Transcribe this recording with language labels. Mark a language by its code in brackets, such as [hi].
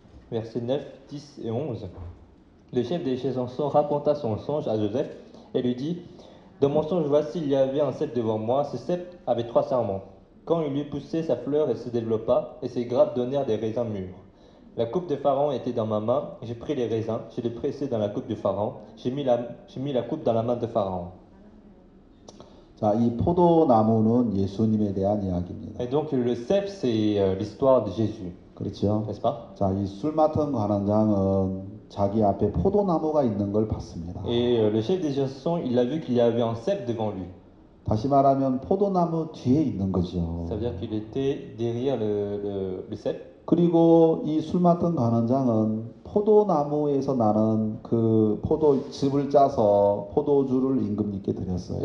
[fr] verset 9, 10 et 11 le chef des chansons raconta son songe à Joseph et lui dit dans mon songe voici il y avait un cèpe devant moi ce cèpe avait trois serments quand il eut poussé sa fleur et se développa et ses grappes donnèrent des raisins mûrs La coupe de Pharaon était dans ma main, j'ai pris les raisins, je les pressé dans la coupe de Pharaon, j'ai mis la coupe dans la main de Pharaon. [ko] 자, 이 포도나무는 예수님에 대한 이야기입니다. [fr] Et donc le cep c'est l'histoire de Jésus. [ko] 그렇죠? [fr] N'est-ce pas? [ko] 자, 이 술 맡은 관원장은 자기 앞에 포도나무가 있는 걸 봤습니다. [fr] Et le chef des chansons, il a vu qu'il y avait un cep devant lui. [ko] 다시 말하면 포도나무 뒤에 있는 거죠. [fr] Ça veut dire qu'il était derrière le cep. [ko] 그리고 이 술 맡은 관원장은 포도나무에서 나는 그 포도즙을 짜서 포도주를 임금님께 드렸어요.